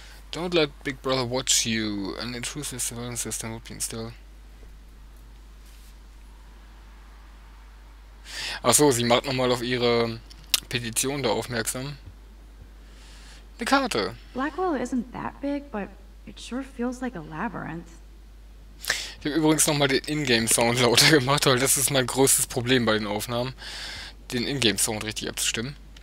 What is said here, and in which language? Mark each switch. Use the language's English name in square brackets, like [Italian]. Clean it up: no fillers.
[English] Don't let Big Brother watch you. An intrusive surveillance system would be installed. [German] Achso, sie macht nochmal auf ihre Petition da aufmerksam. Eine Karte. [English] Blackwell isn't that big, but it sure feels like a labyrinth. [German] Ich habe übrigens nochmal den Ingame-Sound lauter gemacht, weil das ist mein größtes Problem bei den Aufnahmen, den Ingame-Sound richtig abzustimmen.